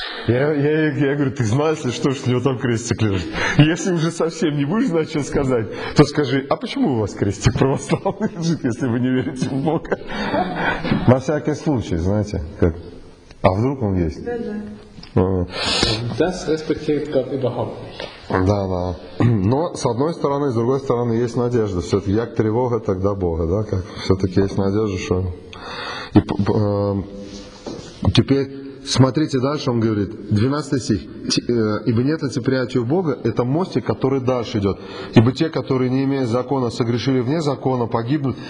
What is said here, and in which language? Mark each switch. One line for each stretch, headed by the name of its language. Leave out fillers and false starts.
Russian: Я говорю, ты знаешь, что у него там крестик лежит? Если уже совсем не будешь знать, что сказать, то скажи, а почему у вас крестик православный лежит, если вы не верите в Бога? На всякий случай, знаете, как? А вдруг он есть? Да, да.
German: Das respektiert Gott überhaupt nicht.
Russian: Да, да. Но с одной стороны, с другой стороны, есть надежда. Все-таки я к тревоге, тогда Бога, да? Как? Все-таки есть надежда, что. И, теперь смотрите дальше, он говорит, 12 стих. Ибо нет отцеприятия у Бога, это мостик, который дальше идет. Ибо те, которые не имея закона, согрешили вне закона, погибнут.